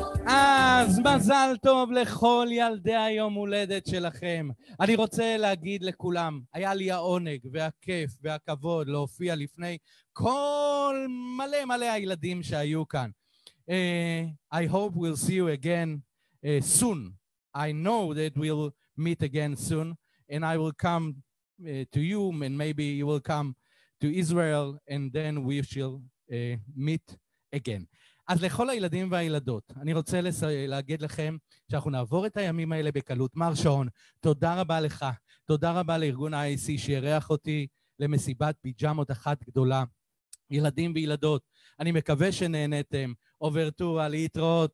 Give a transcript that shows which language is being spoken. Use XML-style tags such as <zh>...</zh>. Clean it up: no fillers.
<he>אז מזל טוב לכל ילדי היום הולדת שלכם. אני רוצה להגיד לכולם, היה לי העונג והכיף והכבוד להופיע לפני כל מלא מלא הילדים שהיו כאן.</he> <en>I hope we'll see you again soon. I know that we'll meet again soon, and I will come to you, and maybe you will come to Israel, and then we shall meet again.</en> <he>אז לכל הילדים והילדות, אני רוצה להגיד לכם שאנחנו נעבור את הימים האלה בקלות. מר שעון, תודה רבה לך. תודה רבה לארגון ה-IC שירח אותי למסיבת פיג'מות אחת גדולה. ילדים וילדות, אני מקווה שנהנתם. אוברטורה, להתראות.</he>